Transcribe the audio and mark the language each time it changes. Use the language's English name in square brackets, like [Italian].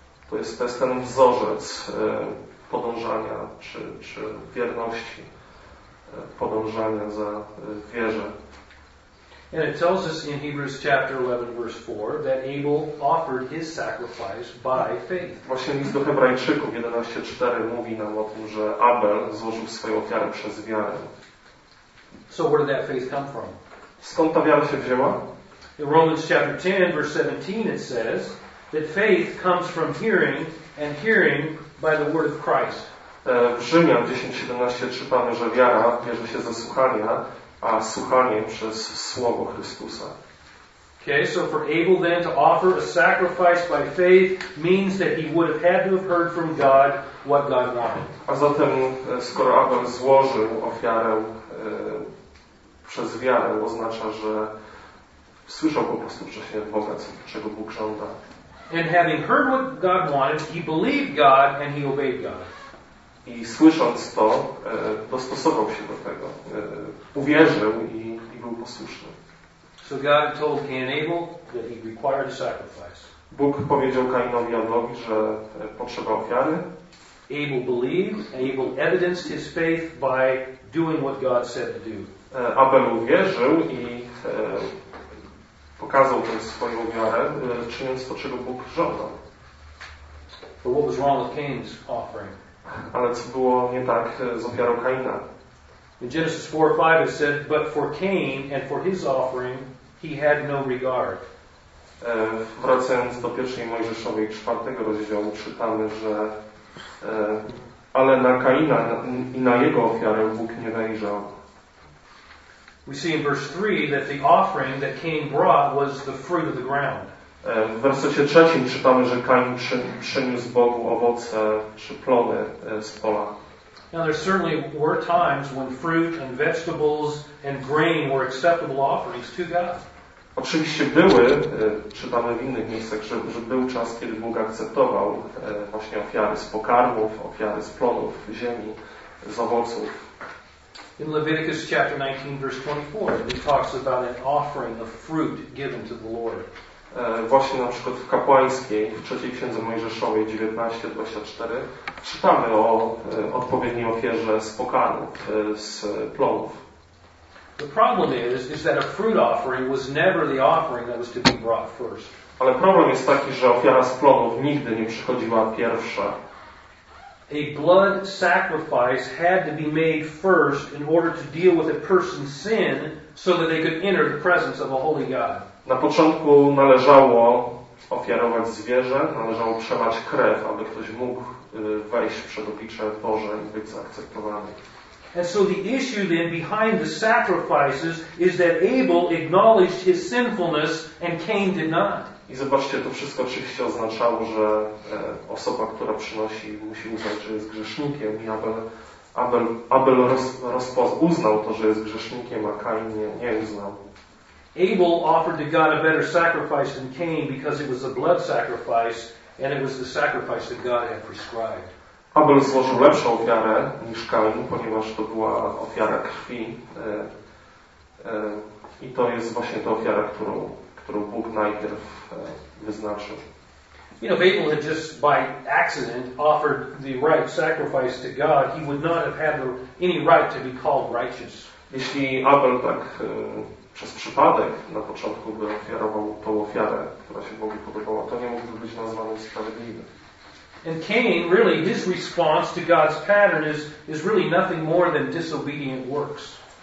[Polish] To jest ten wzorzec podążania czy wierności, podążania za wierze. [English] And it tells us in Hebrews chapter 11, verse 4, that Abel offered his sacrifice by faith. [Polish] Właśnie list do Hebrajczyków 11:4 mówi nam o tym, że Abel złożył swoją ofiarę przez wiarę. [English] So where did that faith come from? [Polish] Skąd ta wiara się wzięła? [English] In Romans chapter 10, verse 17, it says that faith comes from hearing, and hearing by the word of Christ. [Polish] W Rzymian 10:17 czytamy, że wiara bierze się ze słuchania, a słuchanie przez słowo Chrystusa. [English] Okay, so for Abel then to offer a sacrifice by faith means that he would have had to have heard from God what God wanted. [Polish] A zatem skoro Abel złożył ofiarę przez wiarę, oznacza, że słyszał po prostu wcześniej od Boga, czego Bóg żąda. [English] And having heard what God wanted, he believed God and he obeyed God. [Polish] I słysząc to, dostosował się do tego. Uwierzył i był posłuszny. [English] So God told Cain and Abel that he required a sacrifice. [Polish] Bóg powiedział Kainowi i Abelowi, że potrzeba ofiary. [English] Abel believed and Abel evidenced his faith by doing what God said to do. [Polish] Abel uwierzył i pokazał tę swoją wiarę, czyniąc to, czego Bóg żądał. [English] But what was wrong with Cain's offering? [Polish] Ale co było nie tak z ofiarą Kaina? [English] In Genesis 4:5 it said, but for Cain and for his offering he had no regard. [Polish] Wracając do pierwszej Mojżeszowej 4 rozdziału, czytamy, że ale na Kaina i na jego ofiarę Bóg nie wejrzał. [English] We see in verse 3 that the offering that Cain brought was the fruit of the ground. [Polish] W wersecie 3 czytamy, że Kain przyniósł Bogu owoce czy plony z pola. [English] Now there certainly were times when fruit and vegetables and grain were acceptable offerings to God. [Polish] Oczywiście były, czytamy w innych miejscach, że był czas, kiedy Bóg akceptował właśnie ofiary z pokarmów, ofiary z plonów ziemi, z owoców. [English] In Leviticus chapter 19, verse 24, it talks about an offering of fruit given to the Lord. [Polish] Właśnie na przykład w Kapłańskiej, w 3 Księdze Mojżeszowej 19:24 czytamy o odpowiedniej ofierze z pokarmów, z plonów. [English] The problem is that a fruit offering was never the offering that was to be brought first. [Polish] Ale problem jest taki, że ofiara z plonów nigdy nie przychodziła pierwsza. [English] A blood sacrifice had to be made first in order to deal with a person's sin so that they could enter the presence of a holy God. [Polish] Na początku należało ofiarować zwierzę, należało przelać krew, aby ktoś mógł wejść przed oblicze Boże i być zaakceptowany. [English] And so the issue then behind the sacrifices is that Abel acknowledged his sinfulness and Cain did not. [Polish] I zobaczcie, to wszystko oczywiście oznaczało, że osoba, która przynosi, musi uznać, że jest grzesznikiem, i Abel uznał to, że jest grzesznikiem, a Cain nie uznał. [English] Abel offered to God a better sacrifice than Cain because it was a blood sacrifice and it was the sacrifice that God had prescribed. [Polish] Abel złożył lepszą ofiarę niż Kain, ponieważ to była ofiara krwi. I to jest właśnie ta ofiara, którą Bóg najpierw wyznaczył. [English] You know, if Abel had just by accident offered the right sacrifice to God, he would not have had any right to be called righteous. [Polish] Jeśli Abel tak przez przypadek na początku by ofiarował tą ofiarę, która się Bogu podobała, to nie mógłby być nazwany sprawiedliwy. [English] And Cain, really, his response to God's pattern is really nothing more than disobedient works.